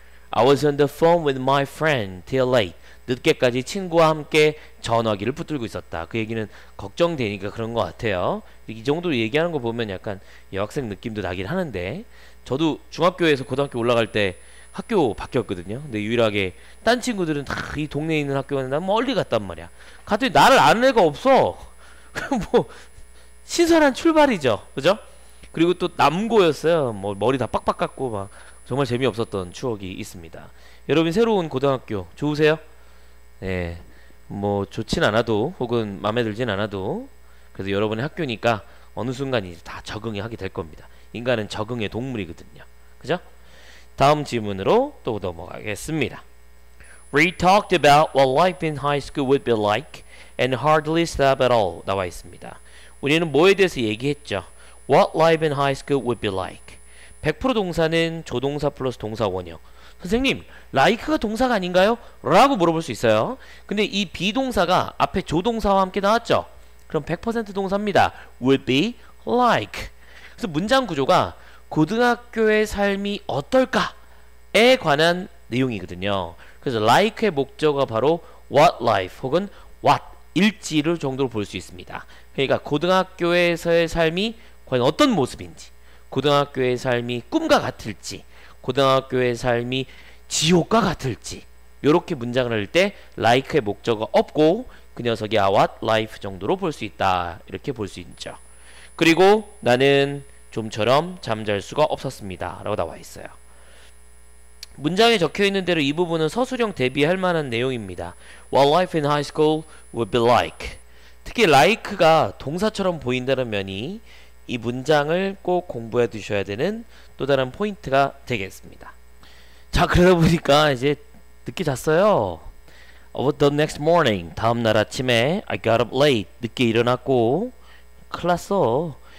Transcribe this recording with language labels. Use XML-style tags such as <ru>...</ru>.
<en>I was on the phone with my friend till late.</en> <ko>늦게까지 친구와 함께 전화기를 붙들고 있었다. 그 얘기는 걱정되니까 그런 것 같아요. 이 정도로 얘기하는 거 보면 약간 여학생 느낌도 나긴 하는데 저도 중학교에서 고등학교 올라갈 때 학교 바뀌었거든요. 근데 유일하게 딴 친구들은 다 이 동네에 있는 학교 가는데 멀리 갔단 말이야. 갔더니 나를 아는 애가 없어. 뭐 신선한 출발이죠. 그죠? 그리고 또 남고였어요. 뭐 머리 다 빡빡 깎고 막 정말 재미없었던 추억이 있습니다. 여러분 새로운 고등학교 좋으세요? 네, 뭐 좋진 않아도 혹은 마음에 들진 않아도 그래도 여러분의 학교니까 어느 순간 이제 다 적응이 하게 될 겁니다. 인간은 적응의 동물이거든요. 그죠? 다음 질문으로 또 넘어가겠습니다.</ko> <en>We talked about what life in high school would be like and hardly stop at all</en> <ko>나와 있습니다. 우리는 뭐에 대해서 얘기했죠?</ko> <en>What life in high school would be like?</en> <ko>100% 동사는 조동사 플러스 동사 원형. 선생님, like가 동사가 아닌가요? 라고 물어볼 수 있어요. 근데 이 비동사가 앞에 조동사와 함께 나왔죠? 그럼 100% 동사입니다. would be like. 그래서 문장 구조가 고등학교의 삶이 어떨까에 관한 내용이거든요. 그래서 like의 목적어가 바로 what life 혹은 what 일지를 정도로 볼 수 있습니다. 그러니까 고등학교에서의 삶이 과연 어떤 모습인지, 고등학교의 삶이 꿈과 같을지, 고등학교의 삶이 지옥과 같을지, 이렇게 문장을 할 때 like의 목적어가 없고 그 녀석이 what life 정도로 볼 수 있다, 이렇게 볼 수 있죠. 그리고 나는 좀처럼 잠잘 수가 없었습니다 라고 나와 있어요. 문장에 적혀있는 대로 이 부분은 서술형 대비할 만한 내용입니다.</ko> <en>What life in high school would be like.</en> <ko>특히 like가 동사처럼 보인다는 면이 이 문장을 꼭 공부해 두셔야 되는 또 다른 포인트가 되겠습니다. 자, 그러다 보니까 이제 늦게 잤어요.</ko> <en>But the next morning,</en> <ko>다음날 아침에</ko> <en>I got up late,</en> <ko>늦게 일어났고 큰일 났어.</ko>